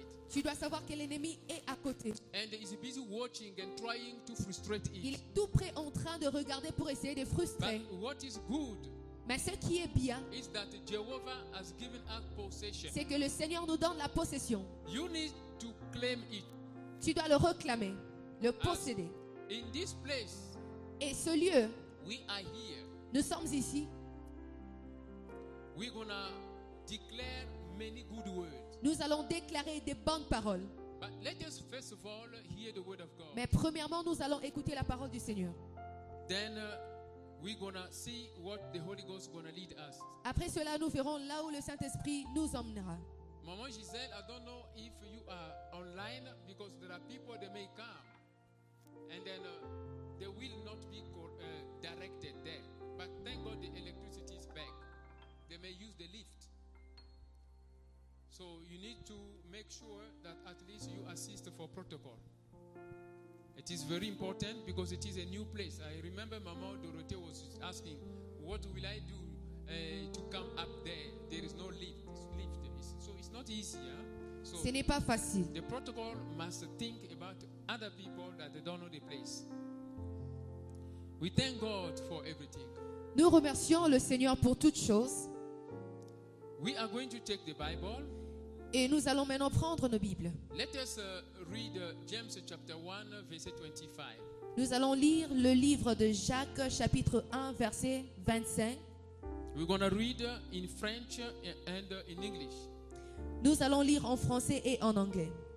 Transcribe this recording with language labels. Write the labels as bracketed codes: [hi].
[fr] tu dois savoir que l'ennemi est à côté. [en] And he's busy watching and trying to frustrate it. [fr] Il est tout près en train de regarder pour essayer de frustrer. [en] But what is good, [fr] mais ce qui est bien, [en] is that Jehovah has given us possession. [fr] C'est que le Seigneur nous donne la possession. [en] You need to claim it. [fr] Tu dois le réclamer, le posséder. [en] In this place, [fr] et ce lieu, [en] we are here. [fr] Nous sommes ici. [en] We're gonna declare many good words. [fr] Nous allons déclarer des bonnes paroles. [en] But let us first of all hear the word of God. [fr] Mais premièrement, nous allons écouter la parole du Seigneur. [en] Then we're gonna see what the Holy Ghost gonna lead us. [fr] Après cela, nous verrons là où le Saint-Esprit nous emmènera. [en] Maman Giselle, I don't know if you are online because there are people that may come and then they will not be directed there. But thank God the electricity is back. They may use the lift. So you need to make sure that at least you assist for protocol. It is very important because it is a new place. I remember Mama Dorothea was asking, what will I do to come up there? There is no lift. So it's not easy. Huh? So [fr] ce n'est pas facile. [en] The protocol must think about other people that they don't know the place. We thank God for everything. [fr] Nous remercions le Seigneur pour toutes choses. [en] We are going to take the Bible. [fr] Et nous allons maintenant prendre nos Bibles. [en] Let us read James chapter 1, verset 25. [fr] Nous allons lire le livre de Jacques, chapitre 1, verset 25. [en] We're gonna read in French and in English. [fr] Nous allons lire en français et en anglais.